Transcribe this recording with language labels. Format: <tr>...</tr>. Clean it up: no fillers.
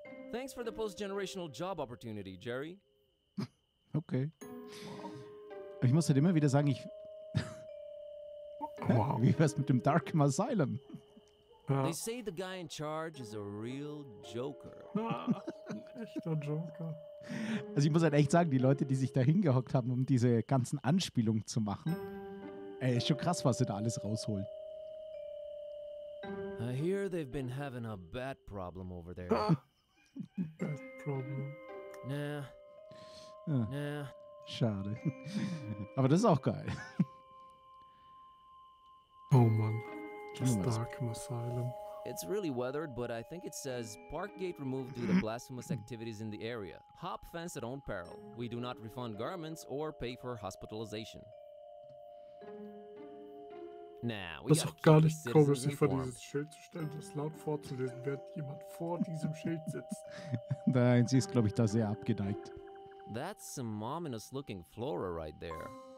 <en>Thanks for the post-generational job opportunity, Jerry.</en> <de>Okay. Ich muss halt immer wieder sagen, ich...</de> <en>Wow.</en> <de>Wie wär's mit dem Darkham Asylum? Ja.</de> <en>They say the guy in charge is a real joker.</en> <de>Echter Joker. Also ich muss halt echt sagen, die Leute, die sich da hingehockt haben, um diese ganzen Anspielungen zu machen, ist schon krass, was sie da alles rausholen.</de> <en>I hear they've been having a bad problem over there. Bad problem. Nah.</en> <de>Ja. Nah. Schade. Aber das ist auch geil. Oh Mann. Das Darkham Asylum.</de> <en>It's really weathered, but I think it says park gate removed due to blasphemous activities in the area. Hop fence at own peril. We do not refund garments or pay for hospitalization. Nah, we</en> <de>das</de> <en>gotta</en> <de>ist auch gar nicht progressiv, vor dieses Schild zu stellen, das laut vorzulesen, während jemand vor diesem Schild sitzt. Nein, sie ist, glaube ich, da sehr abgeneigt.</de> <en>That's some ominous looking flora right there.</en>